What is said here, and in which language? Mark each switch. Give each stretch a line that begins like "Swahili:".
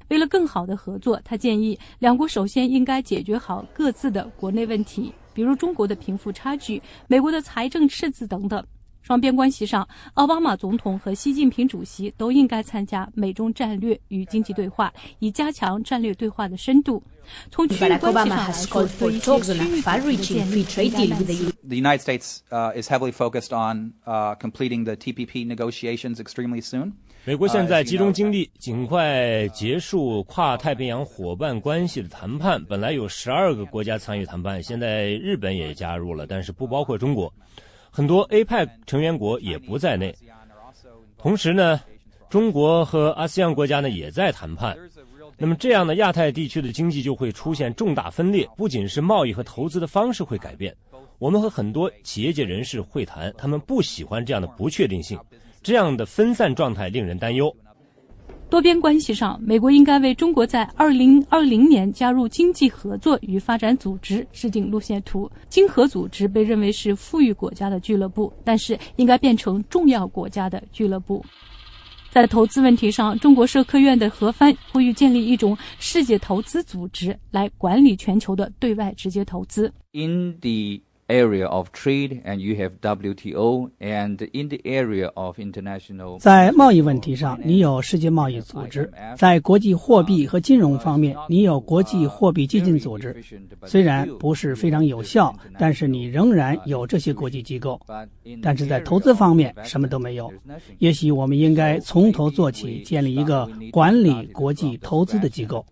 Chinese: 为了更好的合作，他建议两国首先应该解决好各自的国内问题，比如中国的贫富差距、美国的财政赤字等等。双边关系上，奥巴马总统和习近平主席都应该参加美中战略与经济对话，以加强战略对话的深度。从区域关系上来说，对一些区域关系的建立应该慢慢。
English: The United States is heavily focused on completing the TPP negotiations extremely soon.
Chinese: 美国现在集中精力尽快结束跨太平洋伙伴关系的谈判，本来有12个国家参与谈判，现在日本也加入了，但是不包括中国，很多 APEC 成员国也不在内。同时呢，中国和 ASEAN 国家呢也在谈判，那么这样的亚太地区的经济就会出现重大分裂，不仅是贸易和投资的方式会改变，我们和很多企业界人士会谈，他们不喜欢这样的不确定性，这样的分散状态令人担忧。多边关系上，美国应该为中国在2020年加入经济合作与发展组织制定路线图。经合组织被认为是富裕国家的俱乐部，但是应该变成重要国家的俱乐部。在投资问题上，中国社科院的何帆呼吁建立一种世界投资组织来管理全球的对外直接投资。
English: In the area of trade, and you have WTO, and in the area of international.
Chinese: 在贸易问题上，你有世界贸易组织；在国际货币和金融方面，你有国际货币基金组织。虽然不是非常有效，但是你仍然有这些国际机构。但是在投资方面，什么都没有。也许我们应该从头做起，建立一个管理国际投资的机构。